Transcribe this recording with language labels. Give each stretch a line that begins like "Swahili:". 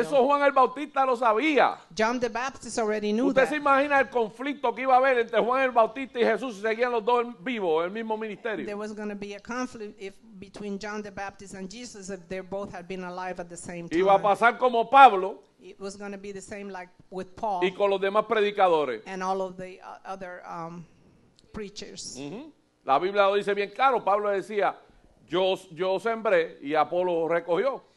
Spanish: Eso Juan el Bautista lo sabía.
English: John the Baptist already knew
Spanish: ¿Usted
English: that.
Spanish: ¿Usted se imagina el conflicto que iba a haber entre Juan el Bautista y Jesús si seguían los dos vivos en el mismo ministerio?
English: There was going to be a conflict if between John the Baptist and Jesus if they both had been alive at the same time.
Spanish: Iba a pasar como Pablo.
English: It was going to be the same like with Paul.
Spanish: Y con los demás predicadores.
English: And all of the other preachers.
Spanish: Mm-hmm. La Biblia lo dice bien claro. Pablo decía, yo sembré y Apolo recogió.